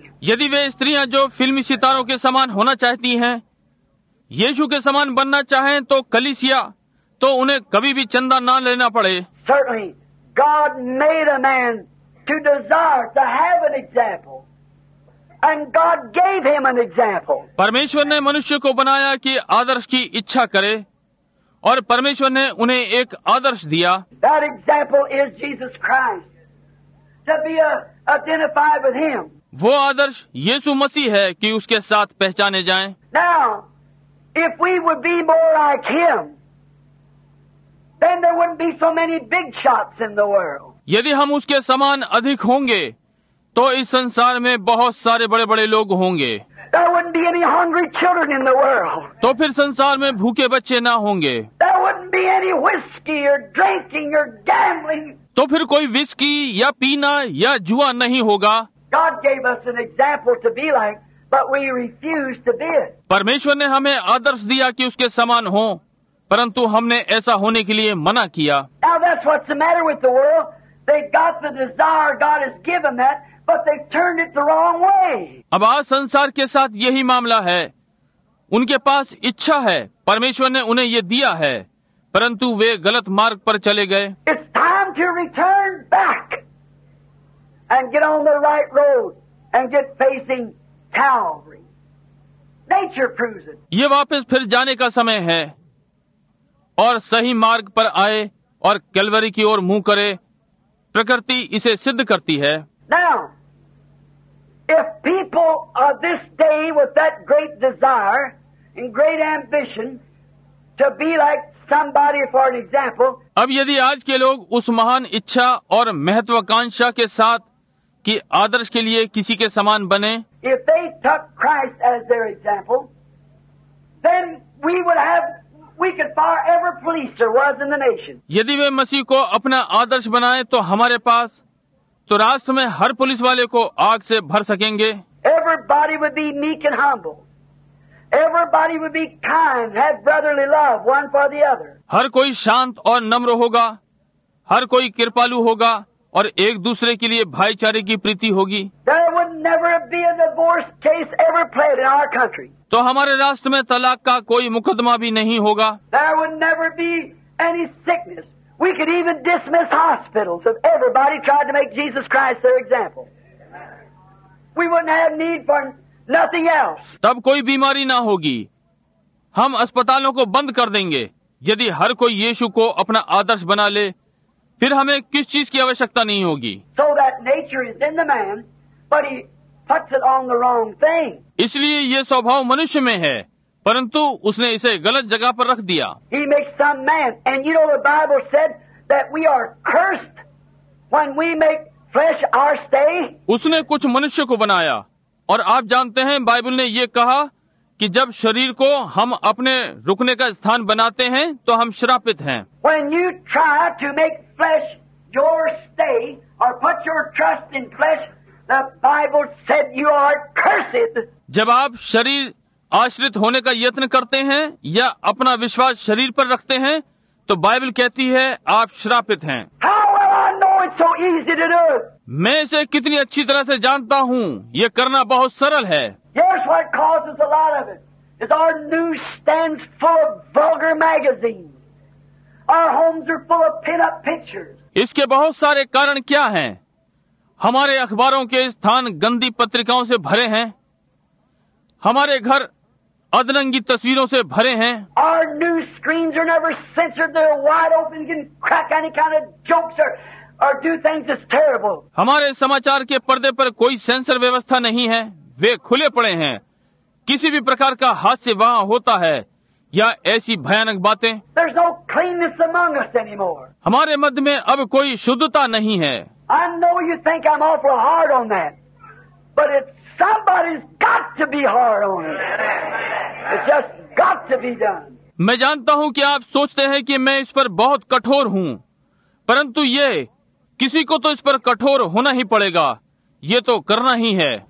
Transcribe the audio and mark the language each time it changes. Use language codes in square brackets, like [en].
[hi] यदि वे स्त्रियां जो फिल्मी सितारों के समान होना चाहती हैं यीशु के समान बनना चाहें तो कलीसिया तो उन्हें कभी भी चंदा ना लेना पड़े। [en] Certainly. God made a man to desire to have an example, and God gave him an example. [hi] परमेश्वर ने मनुष्य को बनाया कि आदर्श की इच्छा करे, और परमेश्वर ने उन्हें एक आदर्श दिया। [en] That example is Jesus Christ. To be identified with Him. [hi] वो आदर्श यीशु मसीह है कि उसके साथ पहचाने जाएं। [en] Now, if we would be more like Him. Then there wouldn't be so many big shots in the world. [hi] यदि हम उसके समान अधिक होंगे तो इस संसार में बहुत सारे बड़े बड़े लोग होंगे। [en] There wouldn't be any hungry children in the world. [hi] तो फिर संसार में भूखे बच्चे ना होंगे। [en] There wouldn't be any whiskey or drinking or gambling. [hi] तो फिर कोई विस्की या पीना या जुआ नहीं होगा। [en] God gave us an example to be like, but we refused to be it. [hi] परमेश्वर ने हमें आदर्श दिया कि उसके समान हों, परंतु हमने ऐसा होने के लिए मना किया। [en] Now that's what's the matter with the world. They got the desire God has given that, but they turned it the wrong way. [hi] अब आज संसार के साथ यही मामला है। उनके पास इच्छा है, परमेश्वर ने उन्हें ये दिया है, परंतु वे गलत मार्ग पर चले गए। [en] It's time to return back and get on the right road and get facing Calvary. Nature proves it. [hi] ये वापस फिर जाने का समय है और सही मार्ग पर आए और कैलवरी की ओर मुंह करे। प्रकृति इसे सिद्ध करती है। [en] Now, if people are this day with that great desire and great ambition to be like somebody for an example, [hi] अब यदि आज के लोग उस महान इच्छा और महत्वाकांक्षा के साथ कि आदर्श के लिए किसी के समान बने, [en] if they took Christ as their example, then we would have [hi] यदि वे मसीह को अपना आदर्श बनाए तो हमारे पास तो राष्ट्र में हर पुलिस वाले को आग से भर सकेंगे। [en] Everybody would be meek and humble. Everybody would be kind, have brotherly love one for the other. [hi] हर कोई शांत और नम्र होगा, हर कोई कृपालु होगा और एक दूसरे के लिए भाईचारे की प्रीति होगी। [en] There would never be a divorce case ever played in our country. [hi] तो हमारे राष्ट्र में तलाक का कोई मुकदमा भी नहीं होगा। [en] There would never be any sickness. We could even dismiss hospitals if everybody tried to make Jesus Christ their example. We wouldn't have need for nothing else. [hi] तब कोई बीमारी ना होगी हम अस्पतालों को बंद कर देंगे यदि हर कोई यीशु को अपना आदर्श बना ले, फिर हमें किस चीज की आवश्यकता नहीं होगी। [en] So that nature is in the man, but he puts it on the wrong thing. [hi] इसलिए ये स्वभाव मनुष्य में है, परंतु उसने इसे गलत जगह पर रख दिया। [en] He makes some man, and you know the Bible said that we are cursed when we make flesh our stay. [hi] उसने कुछ मनुष्य को बनाया, और आप जानते हैं बाइबल ने ये कहा कि जब शरीर को हम अपने रुकने का स्थान बनाते हैं तो हम श्रापित हैं। [en] When you try to make flesh your stay or put your trust in flesh, the Bible said you are cursed. [hi] जब आप शरीर आश्रित होने का यत्न करते हैं या अपना विश्वास शरीर पर रखते हैं तो बाइबल कहती है आप श्रापित हैं। [en] How will I know it's so easy to do? [hi] मैं इसे कितनी अच्छी तरह से जानता हूँ, ये करना बहुत सरल है। [en] Here's what causes a lot of it. It's our newsstands full of vulgar magazines. Our homes are full of pin-up pictures. [hi] इसके बहुत सारे कारण क्या हैं? हमारे अखबारों के स्थान गंदी पत्रिकाओं से भरे हैं। हमारे घर अधरंगी तस्वीरों से भरे हैं। [en] Our news screens are never censored. They're wide open. You can crack any kind of jokes or do things that's terrible. [hi] हमारे समाचार के पर्दे पर कोई सेंसर व्यवस्था नहीं है। वे खुले पड़े हैं, किसी भी प्रकार का हास्य वहाँ होता है या ऐसी भयानक बातें। [en] There's no cleanness among us anymore. [hi] हमारे मध्य में अब कोई शुद्धता नहीं है। [en] I know you think I'm awful hard on that, but it's somebody's got to be hard on it. It's just got to be done. [hi] मैं जानता हूँ कि आप सोचते हैं कि मैं इस पर बहुत कठोर हूँ, परंतु ये किसी को तो इस पर कठोर होना ही पड़ेगा, ये तो करना ही है।